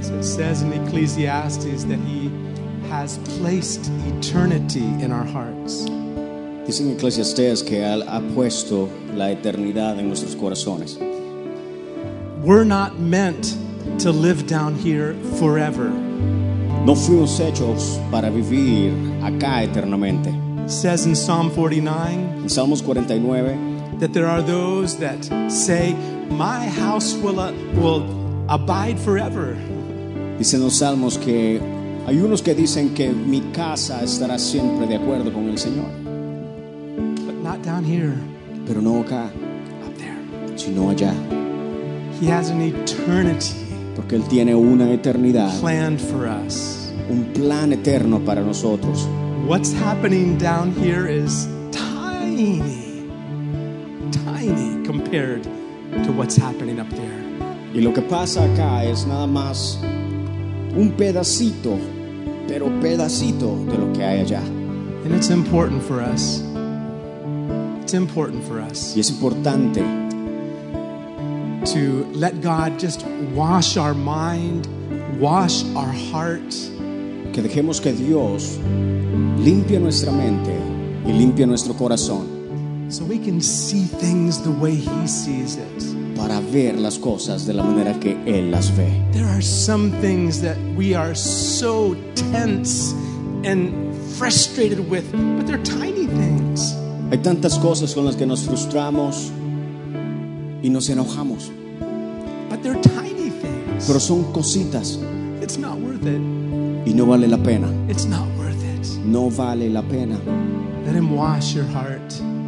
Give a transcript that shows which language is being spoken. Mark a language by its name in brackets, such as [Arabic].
[English] As it says in Ecclesiastes that he has placed eternity in our hearts. [Spanish] Dice en Ecclesiastes que él ha puesto la eternidad en nuestros corazones. [English] We're not meant to live down here forever. [Spanish] No fuimos hechos para vivir acá eternamente. [English] Says in Psalm 49, [Spanish] Salmos 49, [English] that there are those that say, my house will abide forever. [Spanish] Dicen los salmos que hay unos que dicen que mi casa estará siempre de acuerdo con el Señor. [English] But not down here. [Spanish] Pero no acá. [English] Up there. [Spanish] Sino allá. [English] He has an eternity. [Spanish] Porque él tiene una eternidad. [English] Planned for us. [Spanish] Un plan eterno para nosotros. [English] What's happening down here is tiny, tiny compared to what's happening up there. [Spanish] Y lo que pasa acá es nada más un pedacito, pero pedacito de lo que hay allá. [English] And it's important for us. It's important for us. [Spanish] Y es importante [English] to let God just wash our mind wash our heart. [Spanish] Que dejemos que Dios limpie nuestra mente y limpie nuestro corazón. [English] So we can see things the way He sees it. [Spanish] Para ver las cosas de la manera que Él las ve. [English] There are some things that we are so tense and frustrated with, but they're tiny things. [Spanish] Hay tantas cosas con las que nos frustramos y nos enojamos. [English] But they're tiny things. [Spanish] Pero son cositas. [English] It's not worth it. [Spanish] Y no vale la pena. [English] It's not worth it. [Spanish] No vale la pena. [English] Let Him wash your heart.